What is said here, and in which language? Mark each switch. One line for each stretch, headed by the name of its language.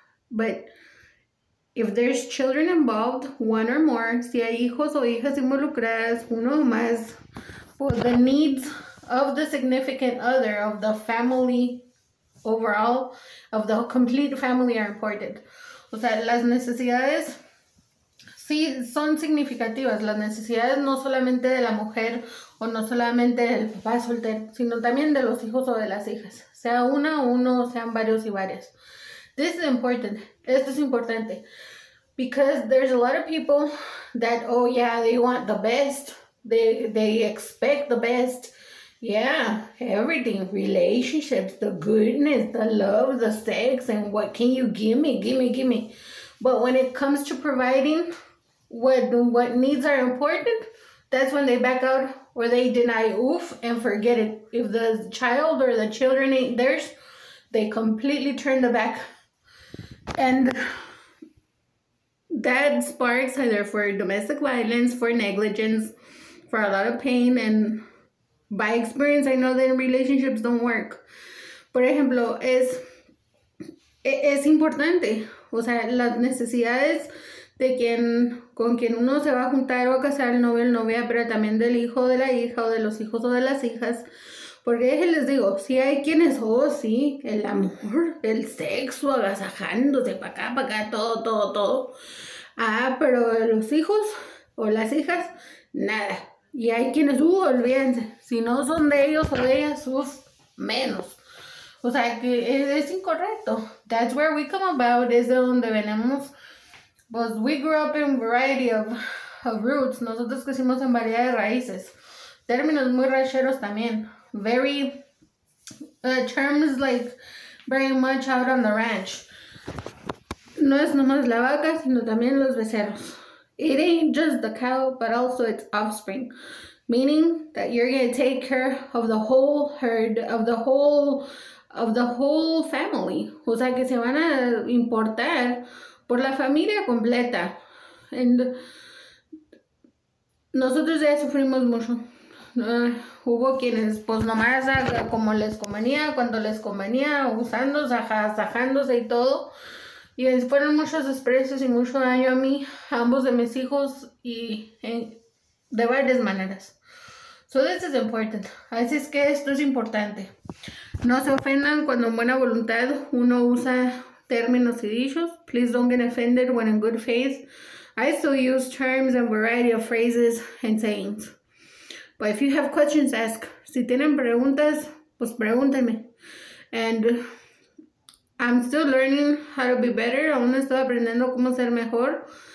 English: But if there's children involved, one or more,
Spanish: si hay hijos o hijas involucradas, uno o más,
English: for the needs of the significant other, of the family overall, of the complete family are important.
Spanish: O sea, las necesidades sí son significativas. Las necesidades no solamente de la mujer o no solamente del papá soltero, sino también de los hijos o de las hijas. Sea una o uno, sean varios y varias.
English: This is important.
Spanish: Esto es importante.
English: Because there's a lot of people that, oh yeah, they want the best. They expect the best. Yeah, everything. Relationships, the goodness, the love, the sex, and what can you give me? Give me, give me. But when it comes to providing what needs are important, that's when they back out or they deny oof and forget it. If the child or the children ain't theirs, they completely turn the back. And that sparks either for domestic violence, for negligence, for a lot of pain. And by experience, I know that relationships don't work.
Spanish: Por ejemplo, es importante. O sea, las necesidades de quien, con quien uno se va a juntar o a casar, el novio o la novia, pero también del hijo o de la hija o de los hijos o de las hijas. Porque les digo, si hay quienes, oh sí, el amor, el sexo, agasajándose para acá, todo, todo, todo. Ah, pero los hijos o las hijas, nada. Y hay quienes, olvídense, si no son de ellos o de ellas, uff, menos. O sea, que es incorrecto.
English: That's where we come about,
Spanish: es de donde venimos.
English: But we grew up in variety of roots.
Spanish: Nosotros crecimos en variedad de raíces. Términos muy rancheros también.
English: Very, terms like very much out on the ranch.
Spanish: No es nomás la vaca, sino también los becerros.
English: It ain't just the cow, but also its offspring. Meaning that you're gonna take care of the whole herd, of the whole family.
Spanish: O sea, que se van a importar por la familia completa. And nosotros ya sufrimos mucho. Hubo quienes, pues nomás como les convenía, cuando les convenía, usándose, agasajándose y todo. Y fueron muchos desprecios y mucho daño a mí, a ambos de mis hijos, y de varias maneras.
English: So this is important.
Spanish: Así es que esto es importante. No se ofendan cuando en buena voluntad uno usa términos y dichos.
English: Please don't get offended when in good faith. I still use terms and variety of phrases and sayings. But if you have questions, ask.
Spanish: Si tienen preguntas, pues pregúntenme.
English: And I'm still learning how to be better.
Spanish: Aún estoy aprendiendo cómo ser mejor.